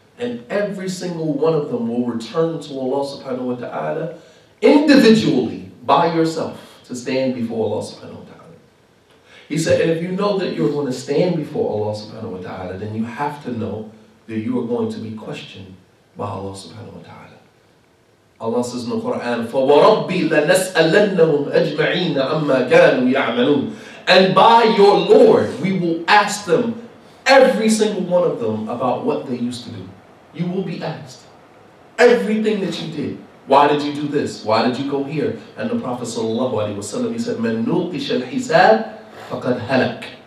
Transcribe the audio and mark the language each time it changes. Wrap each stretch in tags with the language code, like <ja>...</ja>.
<en>And every single one of them will return to Allah subhanahu wa ta'ala individually by yourself to stand before Allah subhanahu wa ta'ala. He said, and if you know that you're going to stand before Allah subhanahu wa ta'ala, then you have to know that you are going to be questioned by Allah subhanahu wa ta'ala. Allah says in the Quran,</en> <ar>فَوَرَبِّي لَنَسْأَلَنَّهُمْ أَجْمَعِينَ أَمَّا كَانُوا يَعْمَلُونَ.</ar> <en>And by your Lord, we will ask them, every single one of them, about what they used to do. You will be asked. Everything that you did. Why did you do this? Why did you go here? And the Prophet sallallahu alayhi wa sallam, he said,</en> <ar>مَنْ نُوْقِشَ الْحِسَابِ فَقَدْ هَلَكَ.</ar>